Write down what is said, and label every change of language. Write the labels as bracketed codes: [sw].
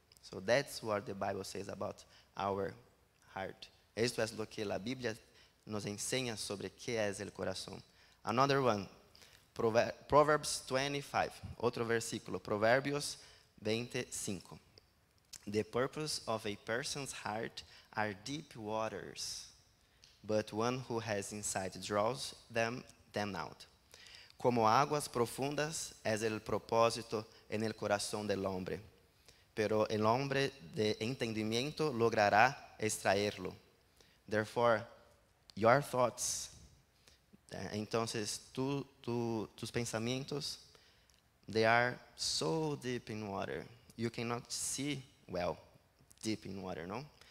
[en] So that's what the Bible says about our heart. [es] Esto es lo que la Biblia nos enseña sobre qué es el corazón. [en] Another one. Proverbs 25. [es] Otro versículo. Proverbios 25. [en] The purpose of a person's heart are deep waters, but one who has insight draws them out. [es] Como aguas profundas es el propósito en el corazón del hombre, pero el hombre de entendimiento logrará extraerlo. [en] Therefore, your thoughts, [es] entonces tus pensamientos, [en] they are so deep in water, you cannot see well, deep in water, no?